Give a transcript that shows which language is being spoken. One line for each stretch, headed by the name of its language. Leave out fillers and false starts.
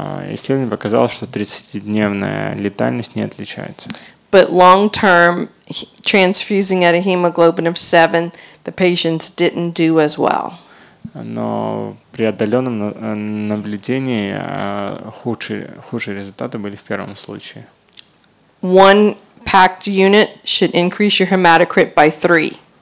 Russian: Исследование показало, что 30-дневная летальность не отличается.
English: But long-term transfusing at a hemoglobin of 7, the patients didn't do as well.
Russian: Но при отдаленном наблюдении худшие результаты были в первом случае.
English: One packed unit should increase your hematocrit by 3.